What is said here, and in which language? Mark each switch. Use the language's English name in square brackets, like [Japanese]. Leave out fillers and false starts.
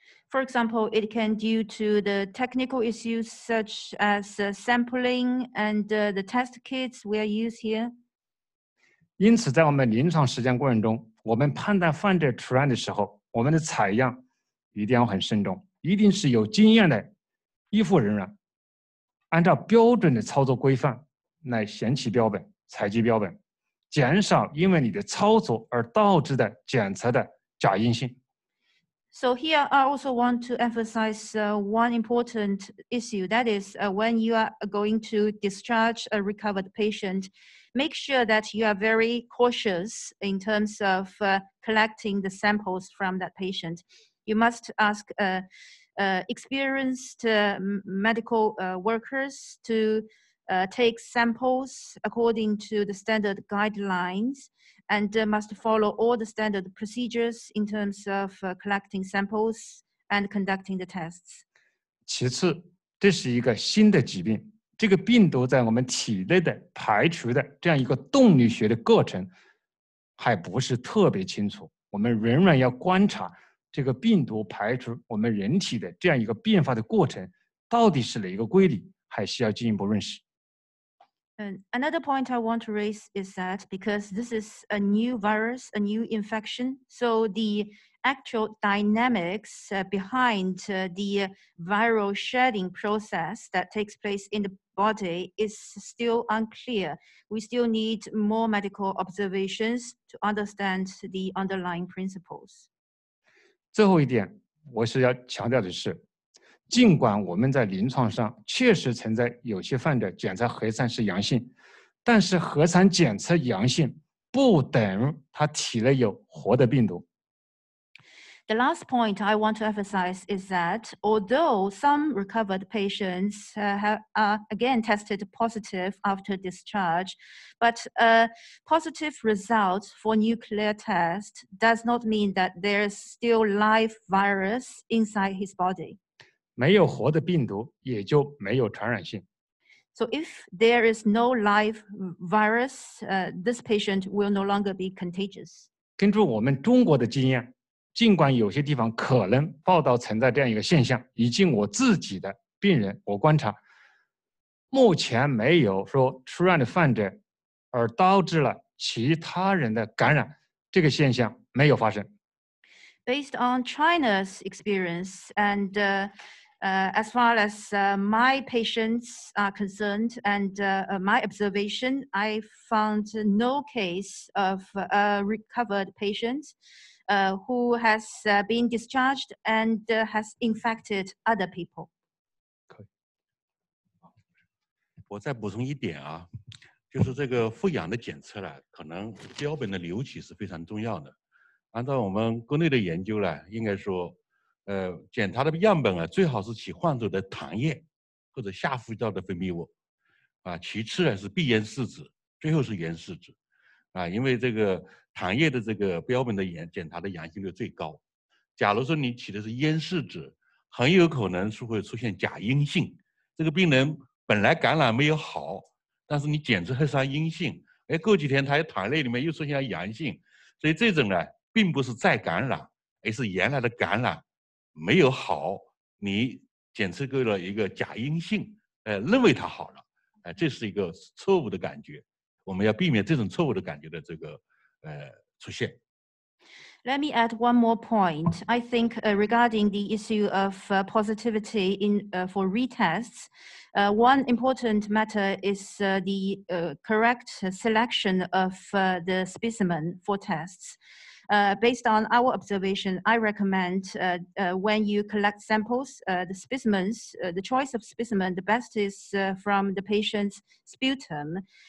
[English] For example, it can due to the technical issues such as sampling and the test kits we are use here. [Chinese] 因此，在我们临床实践过程中，我们判断患者出院的时候，我们的采样一定要很慎重，一定是有经验的医护人员，按照标准的操作规范来选取标本、采集标本，减少因为你的操作而导致的检测的假阴性。 [English] So here I also want to emphasize one important issue, that is when you are going to discharge a recovered patient, make sure that you are very cautious in terms of collecting the samples from that patient. You must ask experienced medical workers to take samples according to the standard guidelines. And must follow all the standard procedures in terms of collecting samples and conducting the tests. [Chinese] 其次，这是一个新的疾病，这个病毒在我们体内的排除的这样一个动力学的过程还不是特别清楚，我们仍然要观察这个病毒排除我们人体的这样一个变化的过程到底是哪一个规律，还需要进一步认识。 [English] Another point I want to raise is that because this is a new virus, a new infection, so the actual dynamics behind the viral shedding process that takes place in the body is still unclear. We still need more medical observations to understand the underlying principles. [Chinese] 最后一点，我是要强调的是尽管我们在临床上确实存在有些患者检测核酸是阳性，但是核酸检测阳性不等于他体内有活的病毒。 [English] The last point I want to emphasize is that although some recovered patients are again tested positive after discharge, but a positive result for nuclear test does not mean that there is still live virus inside his body. [Chinese] 没有活的病毒，也就没有传染性。 [English] So if there is no live virus, this patient will no longer be contagious. [Chinese] 根据我们中国的经验，尽管有些地方可能报道存在这样一个现象，以及我自己的病人，我观察，目前没有说出院的患者而导致了其他人的感染，这个现象没有发生。 [English] Based on China's experience and as far as my patients are concerned and my observation, I found no case of a recovered patient who has been discharged and has infected other people. [Chinese] 可以。我再补充一点啊，就是这个复阳的检测呢，可能标本的留取是非常重要的。按照我们国内的研究呢，应该说检查的样本啊，最好是其患者的痰液或者下呼吸道的分泌物，啊，其次呢是鼻咽拭子，最后是咽拭子，啊，因为这个痰液的这个标本的检查的阳性率最高。假如说你起的是咽拭子，很有可能是会出现假阴性。这个病人本来感染没有好，但是你检测核酸阴性，哎，过几天他的痰液里面又出现了阳性，所以这种呢，并不是再感染，而是原来的感染。没有好，你检测过了一个假阴性，认为它好了，这是一个错误的感觉，我们要避免这种错误的感觉的这个出现。 [English] Let me add one more point. I think regarding the issue of positivity in for retests, one important matter is the correct selection of the specimen for tests. Based on our observation, I recommend when you collect samples, the specimens, the choice of specimen, the best is from the patient's sputum.